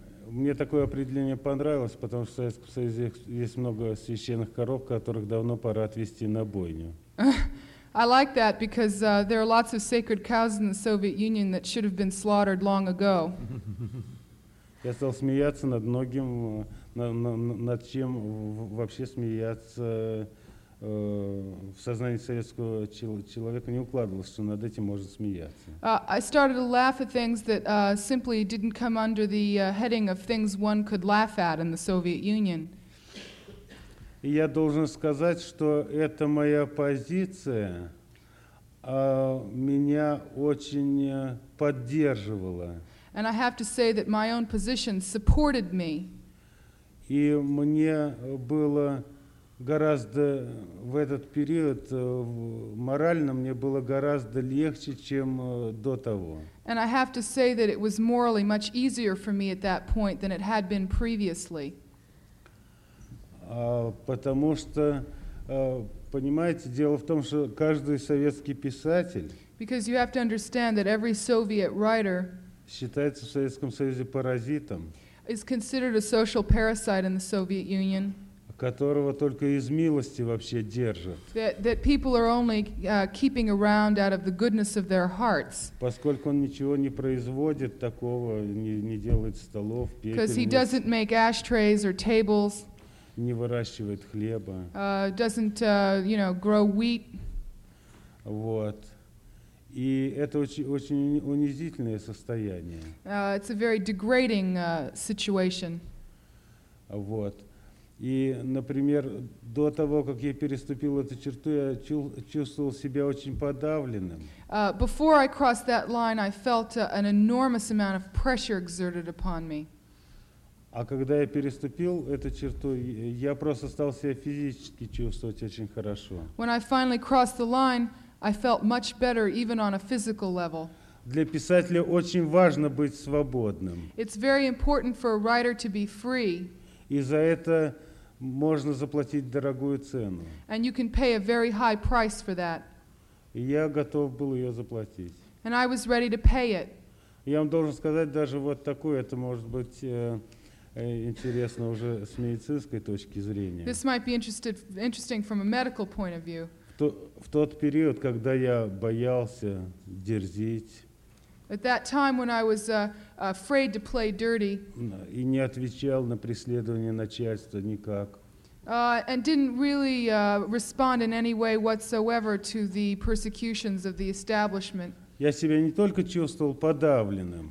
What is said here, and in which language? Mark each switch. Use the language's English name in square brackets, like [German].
[Russian] Мне такое определение понравилось, потому что в Советском Союзе есть много священных коров, которых давно пора отвезти на бойню. [English] I like that because there are lots of sacred cows in the Soviet Union that should have been slaughtered long ago. [Russian] Я стал смеяться над многим, над чем вообще смеяться в сознании советского человека не укладывалось, что над этим можно смеяться. [English] I started to laugh at things that simply didn't come under the heading of things one could laugh at in the Soviet Union. [Russian] И я должен сказать, что эта моя позиция меня очень поддерживала. [English] And I have to say that my own position supported me. [Russian] И мне было гораздо в этот период морально мне было гораздо легче, чем до того. [English] And I have to say that it was morally much easier for me at that point than it had been previously. [Russian] Потому что понимаете, дело в том, что каждый советский писатель. [English] Because you have to understand that every Soviet writer. [Russian] Считается в Советском Союзе паразитом. [English] Is considered a social parasite in the Soviet Union. [Russian] Которого только из милости вообще держат. [English] That people are only keeping around out of the goodness of their hearts. [Russian] Поскольку он ничего не производит такого, не делает столов, пепельниц. [English] Because he doesn't make ashtrays or tables. [Russian] Не выращивает хлеба. [English] Doesn't you know grow wheat. [Russian] Вот. И это очень, очень унизительное состояние. [English] It's a very degrading situation. [Russian] Вот. И, например, до того, как я переступил эту черту, я чувствовал себя очень подавленным. [English] Before I crossed that line, I felt an enormous amount of pressure exerted upon me. [Russian] А когда я переступил эту черту, я просто стал себя физически чувствовать очень хорошо. [English] When I finally crossed the line, I felt much better even on a physical level. [Russian] Для писателя очень важно быть свободным. [English] It's very important for a writer to be free. [Russian] И за это можно заплатить дорогую цену. [English] And you can pay a very high price for that. [Russian] И я готов был ее заплатить. [English] And I was ready to pay it. [Russian] Я вам должен сказать даже вот такую, это может быть... Интересно уже с медицинской точки зрения. [English] This might be interesting from a medical point of view. [Russian] В тот период, когда я боялся дерзить. [English] At that time when I was afraid to play dirty. [Russian] И не отвечал на преследование начальства никак. [English] And didn't really respond in any way whatsoever to the persecutions of the establishment. [Russian] Я себя не только чувствовал подавленным.